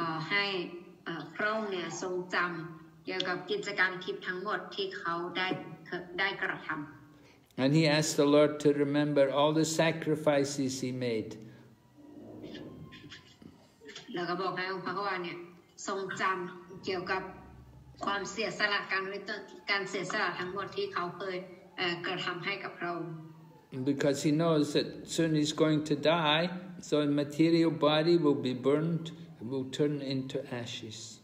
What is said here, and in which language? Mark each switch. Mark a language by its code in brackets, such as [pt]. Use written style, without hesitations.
[th] ให้พระองค์เนี่ยทรงจำเกี่ยวกับกิจกรรมทิพย์ทั้งหมดที่เขาได้กระทำ [en] And he asked the Lord to remember all the sacrifices he made. [th] แล้วก็บอกให้องค์พระผู้ว่าเนี่ยทรงจำเกี่ยวกับความเสียสละการเสียสละทั้งหมดที่เขาเคยกระทำให้กับพระองค์ [en] Because he knows that soon he's going to die, so a material body will be burned. Will turn into ashes.